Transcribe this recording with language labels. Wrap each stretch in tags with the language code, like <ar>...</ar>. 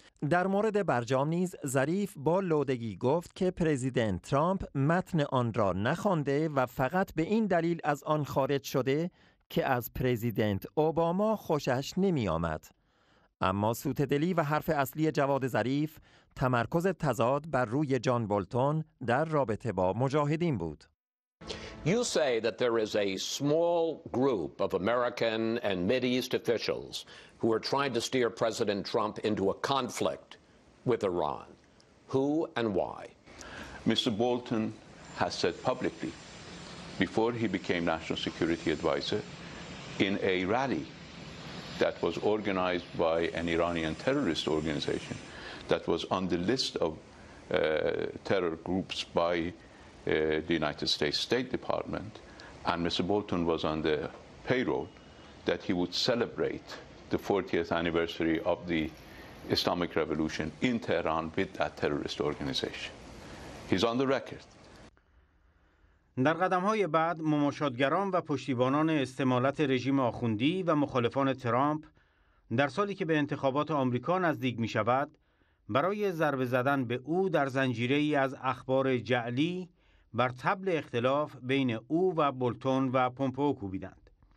<fa>در مورد برجام نیز ظریف با لودگی گفت که پرزیدنت ترامپ متن آن را نخوانده و فقط به این دلیل از آن خارج شده که از پرزیدنت اوباما خوشش نمی آمد. اما سوت دلی و حرف اصلی جواد ظریف تمرکز تضاد بر روی جان بولتون در رابطه با مجاهدین بود.</fa> <en>You say that there is a small group of American and Mideast officials who are trying to steer President Trump into a conflict with Iran. Who and why? Mr. Bolton has said publicly before he became National Security Advisor in a rally that was organized by an Iranian terrorist organization that was on the list of terror groups by the United States State Department, and Mr. Bolton was on the payroll, that he would celebrate the 40th anniversary of the Islamic Revolution in Tehran with that terrorist organization. He's on the record.</en> <fa>در قدم‌های بعد مماشاتگران و پشتیبانان استمالت رژیم آخوندی و مخالفان ترامپ در سالی که به انتخابات آمریکا نزدیک می‌شود برای ضربه زدن به او در زنجیره‌ای از اخبار جعلی بر طبل اختلاف بین او و بولتون و پومپئو کوبیدند.</fa>